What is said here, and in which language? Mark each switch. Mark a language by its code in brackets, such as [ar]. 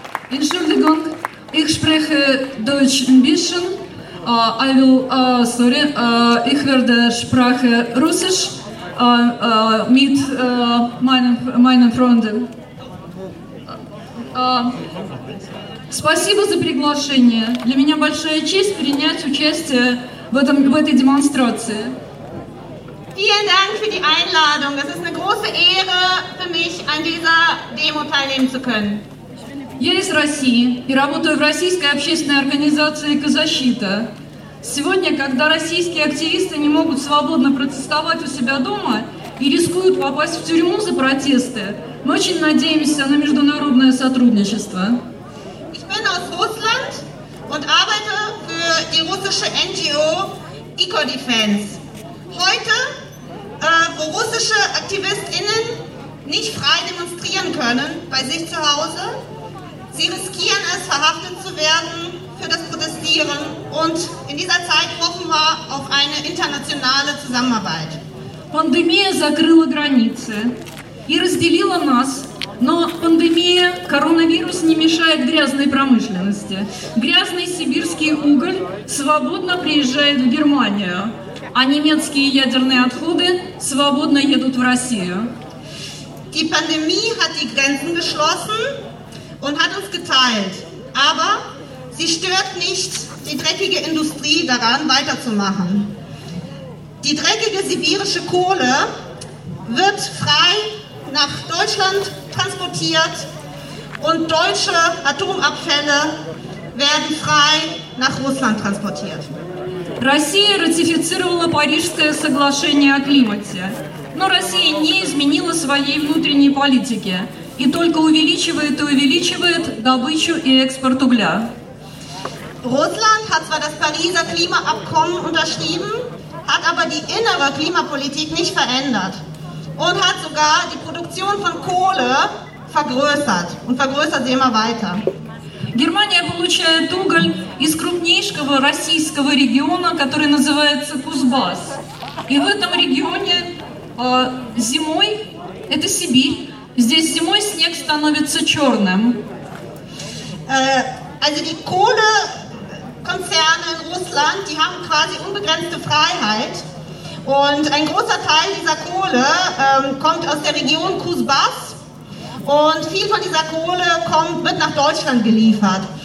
[de] Entschuldigung, ich spreche Deutsch ein bisschen. Ich werde Sprache Russisch mit meinen Freunden. [ru] Спасибо за приглашение. Для меня большая честь принять участие в этой демонстрации. [de] Vielen Dank für die Einladung. Es ist eine große Ehre für mich, an dieser Demo teilnehmen zu können. [ru] Я из России и работаю в российской общественной организации «Экозащита». Сегодня, когда российские активисты не могут свободно протестовать у себя дома и рискуют попасть в тюрьму за протесты, мы очень надеемся на международное сотрудничество. [de] Ich bin aus Russland und arbeite für die russische NGO EcoDefense. Heute, wo russische AktivistInnen nicht frei demonstrieren können bei sich zu Hause, sie riskieren es, verhaftet zu werden für das Protestieren. Und in dieser Zeit hoffen wir auf eine internationale Zusammenarbeit. [ru] Pandemie закрыла границы и разделила нас. Но пандемия, коронавирус не мешает грязной промышленности. Грязный сибирский уголь свободно приезжает в Германию, а немецкие ядерные отходы свободно едут в Россию. [de] Die Pandemie hat die Grenzen geschlossen und hat uns geteilt. Aber sie stört nicht die dreckige Industrie daran, weiterzumachen. Die dreckige sibirische Kohle wird frei nach Deutschland transportiert und deutsche Atomabfälle werden frei nach Russland transportiert. [ru] Россия ратифицировала Парижское соглашение о климате, но Россия не изменила своей внутренней политики и только увеличивает и увеличивает добычу и экспорт угля. [de] Russland hat zwar das Pariser Klimaabkommen unterschrieben, hat aber die innere Klimapolitik nicht verändert. Und hat sogar die Produktion von Kohle vergrößert und vergrößert sie immer weiter. [ru] Германия получает уголь из крупнейшего российского региона, который называется Кузбасс. И в этом регионе зимой, это Сибирь, здесь зимой снег становится черным. [de] Also die Kohlekonzerne in Russland, die haben quasi unbegrenzte Freiheit. Und ein großer Teil dieser Kohle kommt aus der Region Kuzbass und viel von dieser Kohle wird nach Deutschland geliefert.